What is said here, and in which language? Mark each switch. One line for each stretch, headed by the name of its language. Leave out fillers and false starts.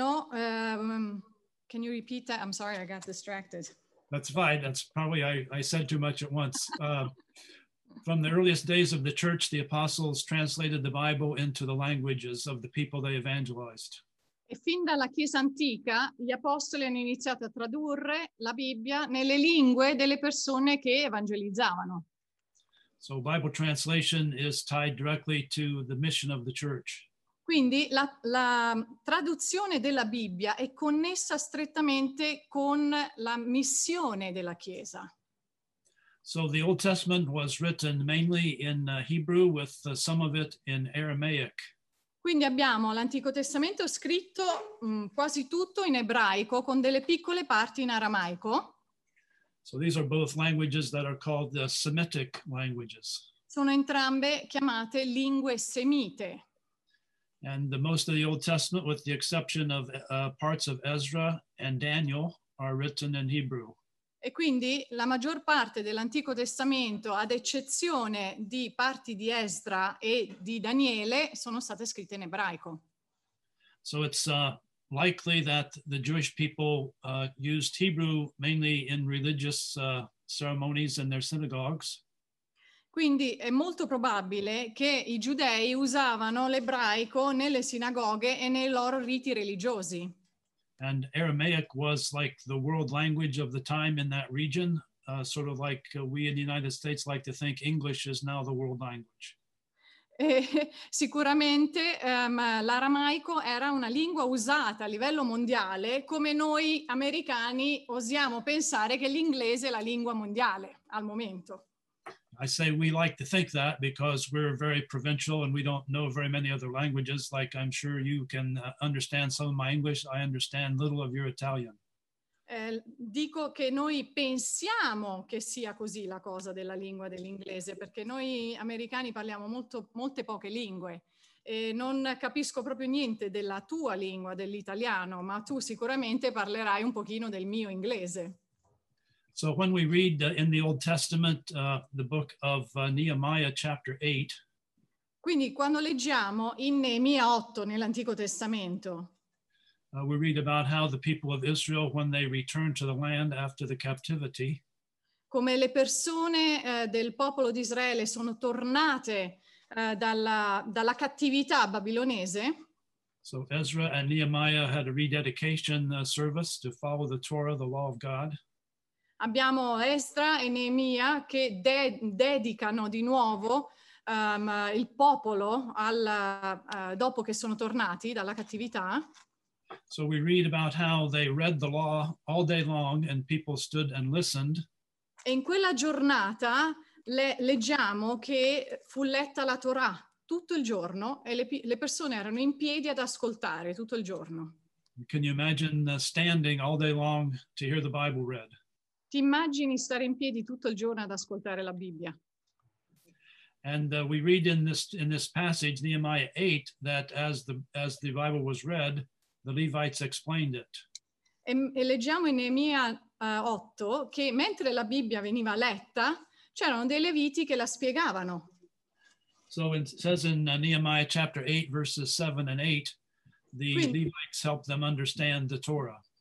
English: Can you repeat that? I'm sorry, I got distracted. That's fine. That's probably, I said too much at once. from the earliest days of the church, the apostles translated the Bible into the languages of the people they evangelized.
Italian: E fin dalla Chiesa antica, gli apostoli hanno iniziato a tradurre la Bibbia nelle lingue delle persone che evangelizzavano.
English: So Bible translation is tied directly to the mission of the church.
Italian: Quindi la traduzione della Bibbia è connessa strettamente con la missione della Chiesa.
English: So the Old Testament was written mainly in Hebrew, with some of it in Aramaic.
Italian: Quindi abbiamo l'Antico Testamento scritto quasi tutto in ebraico, con delle piccole parti in aramaico.
English: So these are both languages that are called the Semitic languages.
Italian: Sono entrambe chiamate lingue semite.
English: And the most of the Old Testament, with the exception of parts of Ezra and Daniel, are written in Hebrew.
Italian: E quindi la maggior parte dell'Antico Testamento, ad eccezione di parti di Ezra e di Daniele, sono state scritte in ebraico.
English: So it's likely that the Jewish people used Hebrew mainly in religious ceremonies in their synagogues.
Italian: Quindi è molto probabile che i giudei usavano l'ebraico nelle sinagoghe e nei loro riti religiosi.
English: And Aramaic was like the world language of the time in that region, sort of like we in the United States like to think English is now the world language.
Italian: Sicuramente l'aramaico era una lingua usata a livello mondiale, come noi americani osiamo pensare che l'inglese è la lingua mondiale al momento.
English: I say we like to think that because we're very provincial and we don't know very many other languages, like I'm sure you can understand some of my English, I understand little of your Italian.
Italian: Dico che noi pensiamo che sia così la cosa della lingua dell'inglese, perché noi americani parliamo molte poche lingue e non capisco proprio niente della tua lingua, dell'italiano, ma tu sicuramente parlerai un pochino del mio inglese.
English: So when we read in the Old Testament the book of Nehemiah chapter 8.
Italian: Quindi quando leggiamo in Neemia 8 nell'Antico Testamento.
English: We read about how the people of Israel, when they returned to the land after the captivity.
Italian: Come le persone del popolo di Israele sono tornate dalla cattività babilonese.
English: So Ezra and Nehemiah had a rededication service to follow the Torah, the law of God.
Italian: Abbiamo Ezra e Neemia che dedicano di nuovo il popolo dopo che sono tornati dalla cattività.
English: So we read about how they read the law all day long and people stood and listened.
Italian: E in quella giornata leggiamo che fu letta la Torah tutto il giorno e le persone erano in piedi ad ascoltare tutto il giorno.
English: Can you imagine standing all day long to hear the Bible read?
Italian: Ti immagini stare in piedi tutto il giorno ad ascoltare la Bibbia?
English: And we read in this passage, Nehemiah 8, that as the Bible was read, the Levites explained it.
Italian: E leggiamo in Neemia 8 che mentre la Bibbia veniva letta, c'erano dei Leviti che la spiegavano.
English: So it says in Nehemiah chapter 8, verses 7 and 8, quindi, Levites helped them understand the Torah.